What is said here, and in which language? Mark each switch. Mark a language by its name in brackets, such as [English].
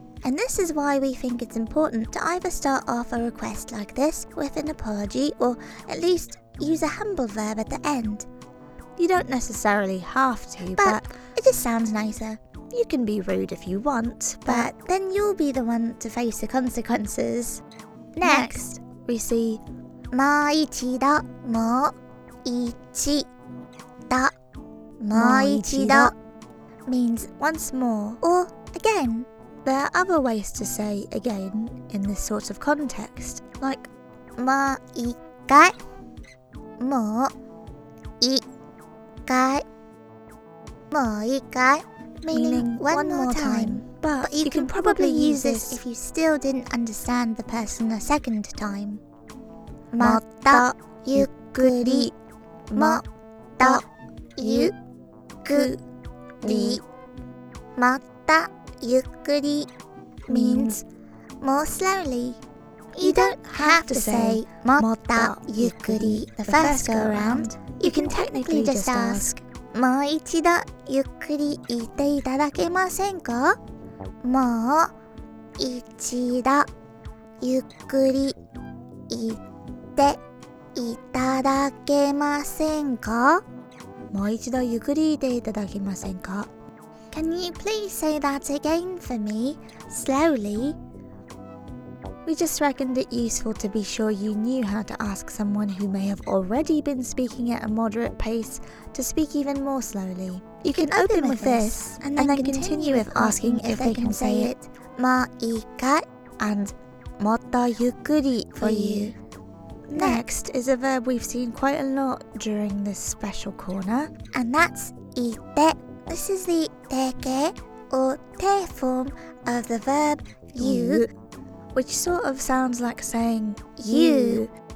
[English] And this is why we think it's important to either start off a request like this with an apology or at least use a humble verb at the end. You don't necessarily have to, but it just sounds nicer. You can be rude if you want, but then you'll be the one to face the consequences. Next, we see [Japanese] もう一度、もう一度、もう一度 [English] means once more or again. There are other ways to say again in this sort of context, like [Japanese] もう一回、もう一回、もう一回 [English] Meaning one more time, but you can probably use this if you still didn't understand the person a second time. [Japanese] またゆっくり、またゆっくり、またゆっくり [English] means more slowly. You don't have to say [Japanese] またゆっくり [English] the first go around. You can technically just ask. [Japanese] もう一度ゆっくり言っていただけませんか? もう一度ゆっくり言っていただけませんか? もう一度ゆっくり言っていただけませんか? [English] Can you please say that again for me, slowly? We just reckoned it useful to be sure you knew how to ask someone who may have already been speaking at a moderate pace to speak even more slowly. You can open with this, and then continue with asking if they can say it. [Japanese] もう一回 [English] and [Japanese] もっとゆっくり [English] for you. Next is a verb we've seen quite a lot during this special corner. And that's 言って. This is the 言って or 言って form of the verb you. Which sort of sounds like saying you.